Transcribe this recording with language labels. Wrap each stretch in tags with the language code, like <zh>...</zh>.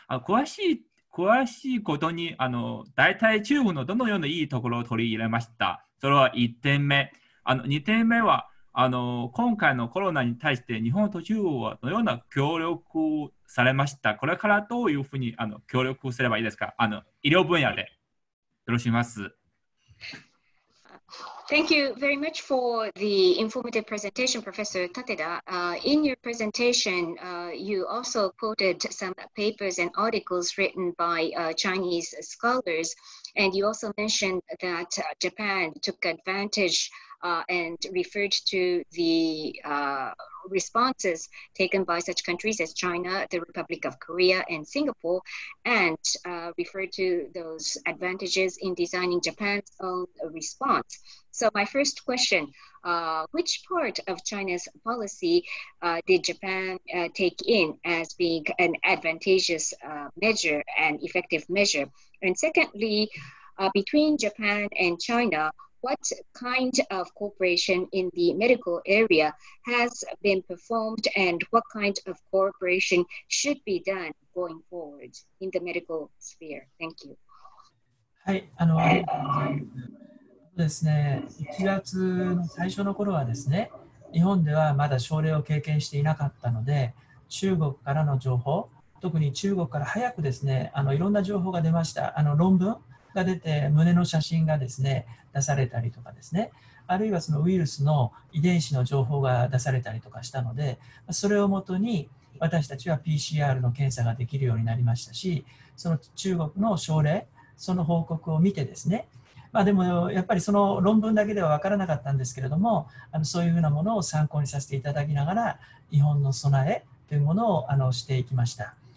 <ja>詳しいことに大体中国のどのようないいところを取り入れました？それは1点目。2点目は今回のコロナに対して日本と中国はどのような協力をされました？これからどういうふうに協力すればいいですか？医療分野でよろしくお</ja> <en>Thank you very much for the informative presentation, Professor Tateda. In your presentation, you also quoted some papers and articles written by Chinese scholars, and you also mentioned that Japan took advantage and referred to the responses taken by such countries as China, the Republic of Korea, and Singapore, and referred to those advantages in designing Japan's own response. So my first question, which part of China's policy did Japan take in as being an advantageous measure and effective measure? And secondly, between Japan and China, what kind of cooperation in the medical area has been performed and what kind of cooperation should be done going forward in the medical sphere? Thank you.</en> <ja>はい、ですね、1月の最初の頃はですね、日本ではまだ症例を経験していなかったので、中国からの情報、特に中国から早くですね、いろんな情報が出ました。論文が出て胸の写真がですね出されたりとかですね、あるいはそのウイルスの遺伝子の情報が出されたりとかしたので、それをもとに私たちは PCR の検査ができるようになりましたし、その中国の症例その報告を見てですね、まあでもやっぱりその論文だけでは分からなかったんですけれども、そういうふうなものを参考にさせていただきながら日本の備えというものをしていきました。</ja>